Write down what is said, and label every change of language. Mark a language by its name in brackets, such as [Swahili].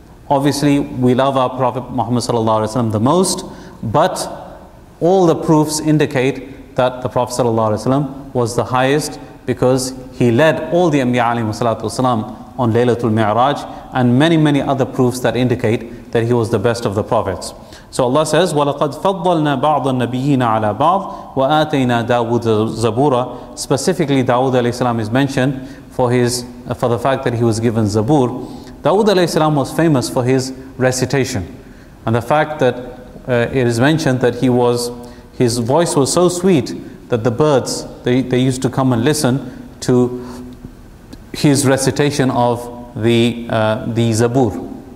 [English] Obviously, we love our Prophet Muhammad sallallahu alaihi wasallam the most, but all the proofs indicate that the Prophet sallallahu alaihi wasallam was the highest because he led all the Anbiya alayhi salatu wasalam on Laylatul Mi'raj, and many, many other proofs that indicate that he was the best of the prophets. So Allah says, [Arabic] وَلَقَدْ فَضَّلْنَا بَعْضَ النَّبِيِّينَ عَلَىٰ بَعْضٍ وَآتَيْنَا دَاوُدَ زَبُورًا. [English] Specifically, Dawood alayhi salam is mentioned for the fact that he was given Zabur. Dawood alayhi salam was famous for his recitation. And the fact that it is mentioned that his voice was so sweet that the birds, they used to come and listen to his recitation of the Zabur.